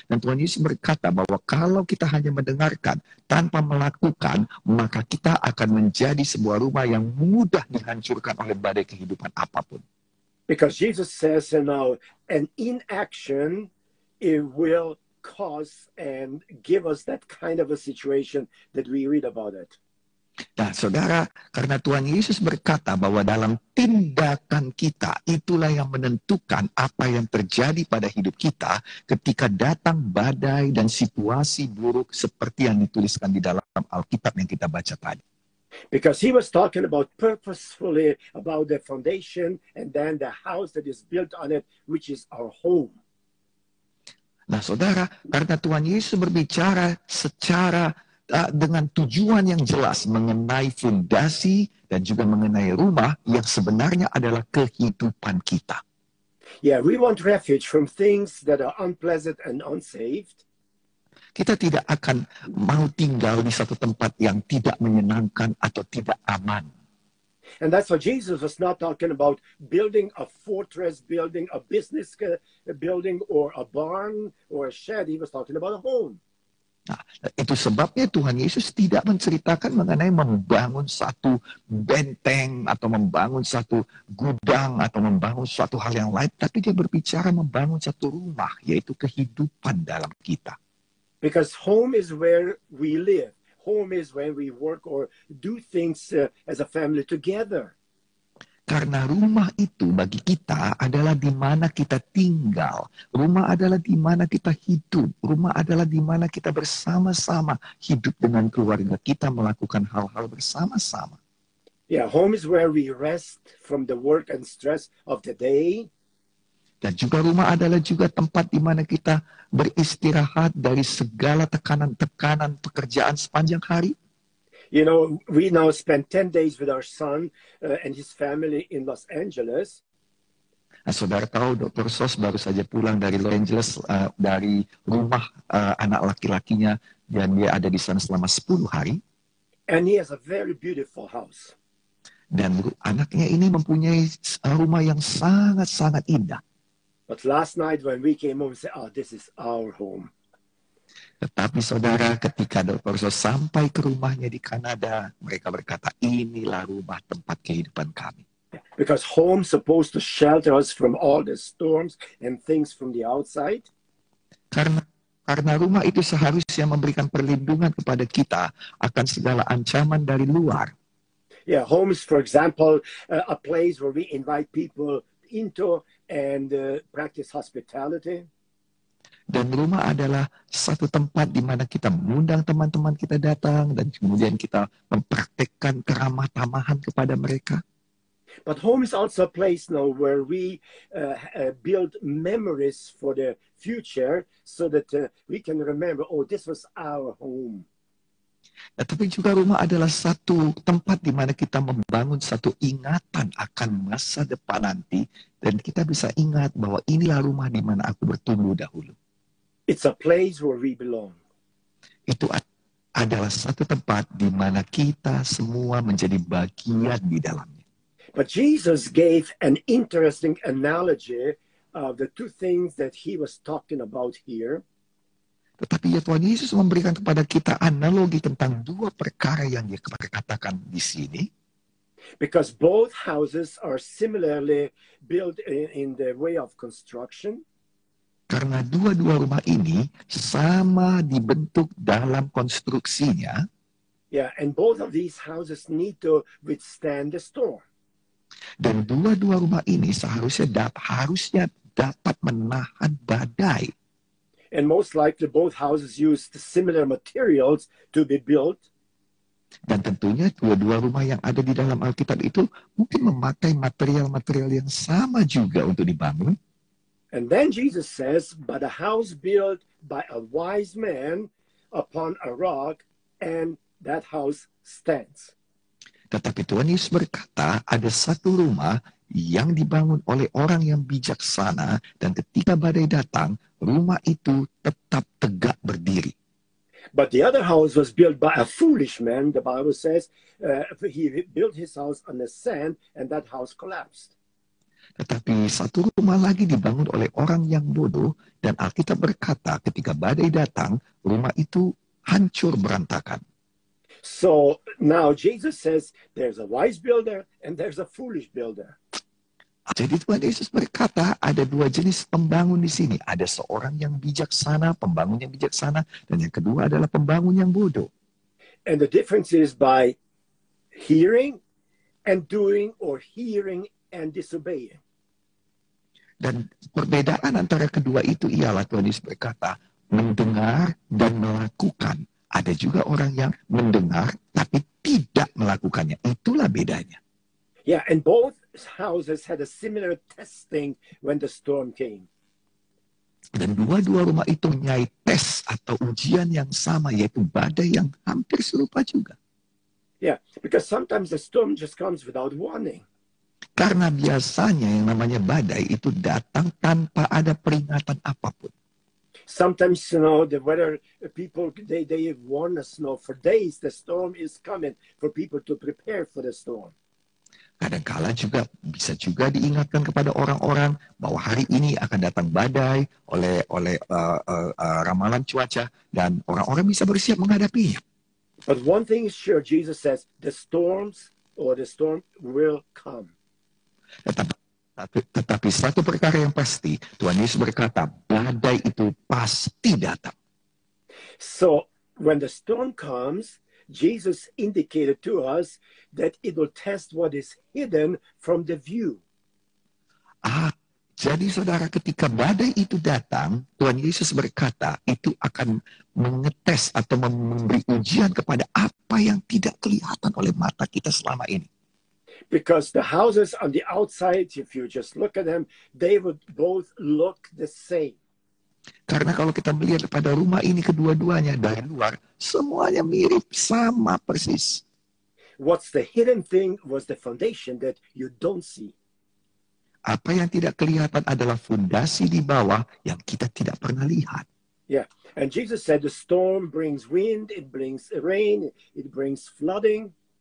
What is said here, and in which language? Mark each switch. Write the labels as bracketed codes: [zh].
[id] Dan Tuhan Yesus berkata bahwa kalau kita hanya mendengarkan tanpa melakukan, maka kita akan menjadi sebuah rumah yang mudah dihancurkan oleh badai kehidupan apapun. [en] Because Jesus says, you know, an inaction, it will cause and give us that kind of a situation that we read about it. [id] Nah, saudara, karena Tuhan Yesus berkata bahwa dalam tindakan kita, itulah yang menentukan apa yang terjadi pada hidup kita ketika datang badai dan situasi buruk seperti yang dituliskan di dalam Alkitab yang kita baca tadi. [en] Because he was talking about purposefully about the foundation and then the house that is built on it, which is our home. [id] Nah, saudara, karena Tuhan Yesus berbicara secara dengan tujuan yang jelas mengenai fondasi dan juga mengenai rumah yang sebenarnya adalah kehidupan kita. [en] Yeah, we want refuge from things that are unpleasant and unsafe. [id] Kita tidak akan mau tinggal di satu tempat yang tidak menyenangkan atau tidak aman. [en] And that's why Jesus was not talking about building a fortress, building a business building, or a barn, or a shed. He was talking about a home. [id] Nah, itu sebabnya Tuhan Yesus tidak menceritakan mengenai membangun satu benteng, atau membangun satu gudang, atau membangun suatu hal yang lain. Tapi dia berbicara membangun satu rumah, yaitu kehidupan dalam kita. [en] Because home is where we live. Home is when we work or do things as a family together. [id] Karena rumah itu bagi kita adalah di mana kita tinggal. Rumah adalah di mana kita hidup. Rumah adalah di mana kita bersama-sama hidup dengan keluarga kita, melakukan hal-hal bersama-sama. [en] Yeah, home is where we rest from the work and stress of the day. [id] Dan juga rumah adalah juga tempat di mana kita beristirahat dari segala tekanan-tekanan pekerjaan sepanjang hari. [en] You know, we now spend 10 days with our son and his family in Los Angeles. [id] Nah, saudara tahu, Dr. Sos baru saja pulang dari Los Angeles, dari rumah anak laki-lakinya, dan dia ada di sana selama 10 hari. [en] And he has a very beautiful house. [id] Dan anaknya ini mempunyai rumah yang sangat-sangat indah. [en] But last night when we came home, we said, oh, this is our home. [id] Tetapi saudara, ketika Dr. Sos sampai ke rumahnya di Kanada, mereka berkata, inilah rumah tempat kehidupan kami. [en] Because home supposed to shelter us from all the storms and things from the outside. [id] Karena rumah itu seharusnya memberikan perlindungan kepada kita akan segala ancaman dari luar. [en] Yeah, home is, for example, a place where we invite people into and practice hospitality. [id] Dan rumah adalah satu tempat di mana kita mengundang teman-teman kita datang dan kemudian kita mempraktikkan keramah tamahan kepada mereka. [en] But home is also a place now where we build memories for the future so that we can remember, oh, this was our home. [id] Tapi juga rumah adalah satu tempat di mana kita membangun satu ingatan akan masa depan nanti, dan kita bisa ingat bahwa inilah rumah di mana aku bertumbuh dahulu. [en] It's a place where we belong. [id] Itu adalah satu tempat di mana kita semua menjadi bagian di dalamnya. [en] But Jesus gave an interesting analogy of the two things that he was talking about here. [id] Tetapi ya, Tuhan Yesus memberikan kepada kita analogi tentang dua perkara yang dia katakan di sini. [en] Because both houses are similarly built in the way of construction. [id] Karena dua-dua rumah ini sama dibentuk dalam konstruksinya. [en] Yeah, and both of these houses need to withstand the storm. [id] Dan dua-dua rumah ini seharusnya harusnya dapat menahan badai. [en] And most likely both houses used similar materials to be built. [id] Dan tentunya dua-dua rumah yang ada di dalam Alkitab itu mungkin memakai material-material yang sama juga untuk dibangun. [en] And then Jesus says, but a house built by a wise man upon a rock, and that house stands. [id] Tetapi Tuhan Yesus berkata, ada satu rumah yang dibangun oleh orang yang bijaksana, dan ketika badai datang, rumah itu tetap tegak berdiri. [en] But the other house was built by a foolish man, the Bible says. He built his house on the sand, and that house collapsed. [id] Tetapi satu rumah lagi dibangun oleh orang yang bodoh, dan Alkitab berkata ketika badai datang, rumah itu hancur berantakan. [en] So now Jesus says there's a wise builder and there's a foolish builder. [id] Jadi Tuhan Yesus berkata ada dua jenis pembangun di sini. Ada seorang yang bijaksana, pembangun yang bijaksana, dan yang kedua adalah pembangun yang bodoh. And the difference is by hearing and doing or hearing and disobeying. Dan perbedaan antara kedua itu ialah Tuhan Yesus berkata mendengar dan melakukan. Ada juga orang yang mendengar tapi tidak melakukannya. Itulah bedanya. [en] Yeah, and both houses had a similar testing when the storm came. [id] Dan dua-dua rumah itu menyai tes atau ujian yang sama, yaitu badai yang hampir serupa juga. [en] Yeah, because sometimes the storm just comes without warning. [id] Karena biasanya yang namanya badai itu datang tanpa ada peringatan apapun. [en] Sometimes, you know, the weather people, they warn us, you know, for days the storm is coming for people to prepare for the storm. [id] Kadangkala juga bisa juga diingatkan kepada orang-orang bahwa hari ini akan datang badai oleh ramalan cuaca, dan orang-orang bisa bersiap menghadapinya. [en] But one thing is sure, Jesus says, the storm will come. [id] Tetapi satu perkara yang pasti, Tuhan Yesus berkata, badai itu pasti datang. [en] So, when the storm comes, Jesus indicated to us that it will test what is hidden from the view. [id] Jadi saudara, ketika badai itu datang, Tuhan Yesus berkata, itu akan mengetes atau memberi ujian kepada apa yang tidak kelihatan oleh mata kita selama ini. [en] Because the houses on the outside, if you just look at them, they would both look the same. [id] Karena kalau kita melihat pada rumah ini kedua-duanya dari luar, semuanya mirip, sama persis. [en] What's the hidden thing was the foundation that you don't see. [id] Apa yang tidak kelihatan adalah fondasi di bawah yang kita tidak pernah lihat. [en] Yeah, and Jesus said the storm brings wind, it brings rain, it brings flooding.